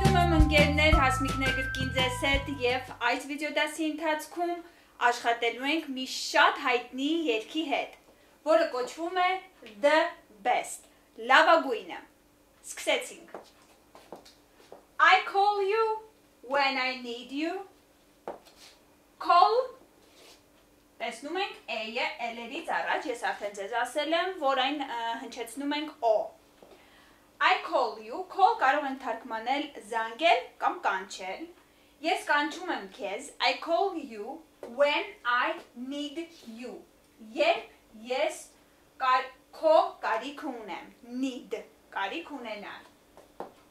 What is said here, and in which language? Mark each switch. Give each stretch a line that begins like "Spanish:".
Armenian: հետ եւ այս վիդեոդասի ընթացքում աշխատելու ենք մի շատ հայտնի երգի հետ, որը կոչվում է The Best, լավագույնը։ Սկսեցինք.
English: I call you when I need you. Call.
Armenian: Տեսնում ենք A-ը L-երից առաջ, ես արդեն ձեզ ասել եմ, որ այն հնչեցնում ենք O.
English: I call you,
Armenian: call կարող են թարգմանել զանգել կամ կանչել։ Ես կանչում եմ քեզ,
English: I call you when I need you։
Armenian: Երբ ես քո կարիք ունեմ, need, կարիք ունենալ։